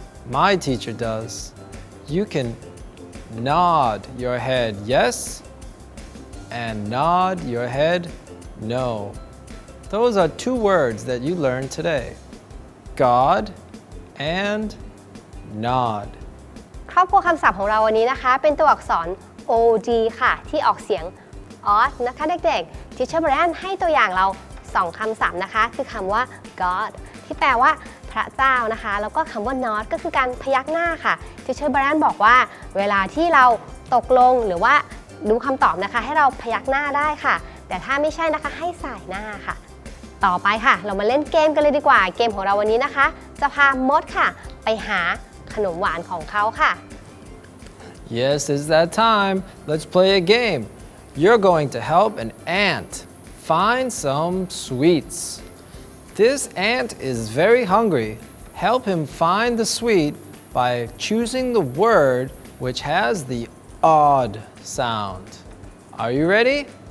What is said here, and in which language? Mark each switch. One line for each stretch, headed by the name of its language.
English: My teacher does. You can nod your head yes and nod your head no. Those are two words that you learned today. God and nod.
Thai: ครอบครัวคำศัพท์ของเราวันนี้นะคะเป็นตัวอักษร OD ค่ะที่ออกเสียง odd นะคะเด็กๆที่เชฟแบรนให้ตัวอย่างเรา2คำศัพท์นะคะคือคำว่า God ที่แปลว่าพระเจ้านะคะแล้วก็คำว่า nod ก็คือการพยักหน้าค่ะที่เชฟแบรนบอกว่าเวลาที่เราตกลงหรือว่า รู้คำตอบนะคะให้เราพยักหน้าได้ค่ะแต่ถ้าไม่ใช่นะคะให้สายหน้าค่ะต่อไปค่ะเรามาเล่นเกมกันเลยดีกว่าเกมของเราวันนี้นะคะจะพามดค่ะไปหาขนมหวานของเขาค่ะ
English: Yes, it's that time. Let's play a game. You're going to help an ant find some sweets. This ant is very hungry. Help him find the sweet by choosing the word which has the odd sound. Are you ready?